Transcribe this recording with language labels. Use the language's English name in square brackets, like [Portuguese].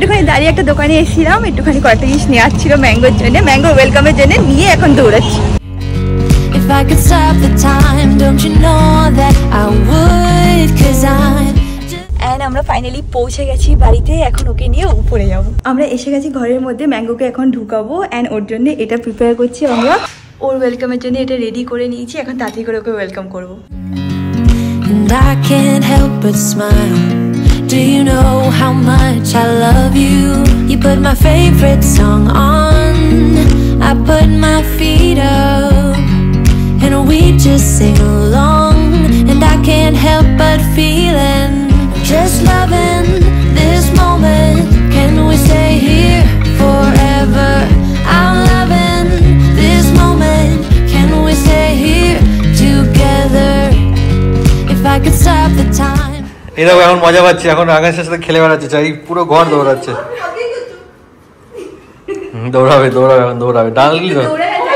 [Bangla] দাঁড়িয়ে একটা দোকানে এসেছিলাম, একটুখানি কয়েকটা জিনিস নেওয়ার ছিল ম্যাঙ্গোর জন্য, ম্যাঙ্গো ওয়েলকামের জন্য নিয়ে এখন দৌড়াচ্ছি। [English] If I could stop the time, don't you know that I would, cause I'm [Bangla] আমরা ফাইনালি পৌঁছে গেছি বাড়িতে, এখন ওকে নিয়ে উপরে যাবো। আমরা এসে গেছি ঘরের মধ্যে, ম্যাঙ্গোকে এখন ঢুকাবো অ্যান্ড ওর জন্য এটা প্রিপেয়ার করছি আমরা, ওর ওয়েলকামের জন্য এটা রেডি করে নিয়েছি, এখন তাড়াতাড়ি করে ওকে ওয়েলকাম করবো। [English] And I can't help but smile, do you know how much I love you, you put my favorite song on, I put my feet up, and we just sing along, and I can't help but feeling just loving this moment, can we stay here forever, I'm loving this moment, can we stay here together, if I could stop the time. [Bangla] এই দেখো এখন মজা পাচ্ছি, এখন আকাশের সাথে খেলে বেড়াচ্ছে, চাই পুরো ঘর দৌড়াচ্ছে, দৌড়াবে দৌড়াবে এখন দৌড়াবে ডালগুলি দৌড়াবে।